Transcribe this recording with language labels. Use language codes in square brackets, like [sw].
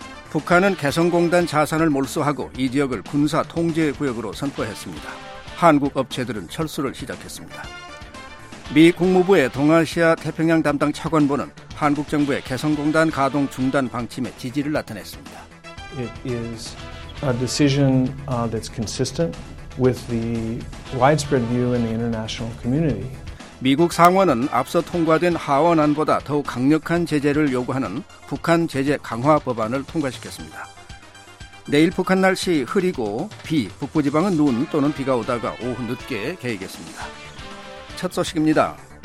[ko] 북한은 개성공단 자산을 몰수하고 이 지역을 군사 통제 구역으로 선포했습니다. 한국 업체들은 철수를 시작했습니다. 미 국무부의 동아시아 태평양 담당 차관보는 한국 정부의 개성공단 가동 중단 방침에 지지를 나타냈습니다. [en] It is a decision that's consistent with the widespread view in the international community. [ko] 미국 상원은 앞서 통과된 하원안보다 더욱 강력한 제재를 요구하는 북한 제재 강화 법안을 통과시켰습니다. 내일 북한 날씨 흐리고 비, 북부지방은 눈 또는 비가 오다가 오후 늦게 개이겠습니다. 첫 소식입니다.